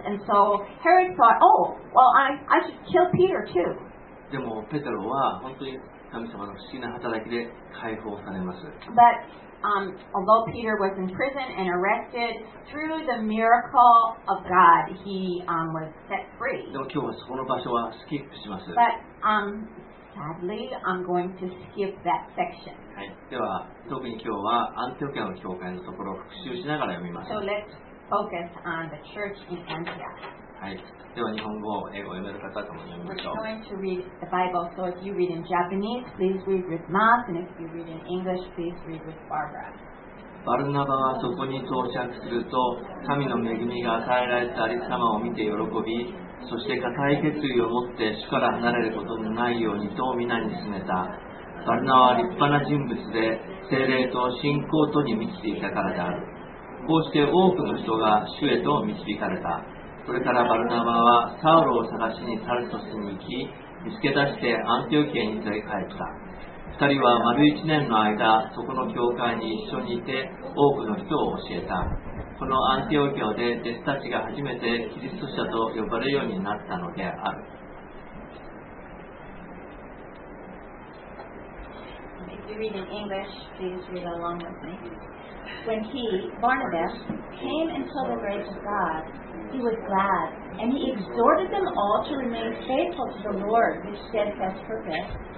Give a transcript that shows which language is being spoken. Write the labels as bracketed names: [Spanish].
[English] And so Herod thought, oh, well, I should kill Peter too. [Japanese] でもペテロは本当に神様の不思議な働きで解放されます。 [English] But, although Peter was in prison and arrested, through the miracle of God, he, was set free. [Japanese] でも今日はその場所はスキップします。 [English] But, sadly, I'm going to skip that section. [Japanese] はい、では特に今日はアンティオキアの教会のところを復習しながら読みます。 [English] So let's focus on the church in Antioch. [Japanese] はい、では日本語を英語を読める方とも読みましょう。 [English] We're going to read the Bible, so if you read in Japanese, please read with Mark, and if you read in English, please read with Barbara. [Japanese] バルナバはそこに到着すると、神の恵みが与えられたアリス様を見て喜び、そして固い決意を持って主から離れることのないようにと皆に勧めた。バルナは立派な人物で、聖霊と信仰とに満ちていたからである。こうして多くの人が主へと導かれた。それからバルナバはサウロを探しにタルソスに行き、見つけ出してアンティオキアに連れ帰った。二人は丸一年の間、そこの教会に一緒にいて、多くの人を教えた。このアンティオキアで弟子たちが初めてキリスト者と呼ばれるようになったのである。 [English] If you read in English, please read along with me. When he, Barnabas, came and saw the grace of God,He was glad, and he exhorted them all to remain faithful to the Lord with steadfast purpose.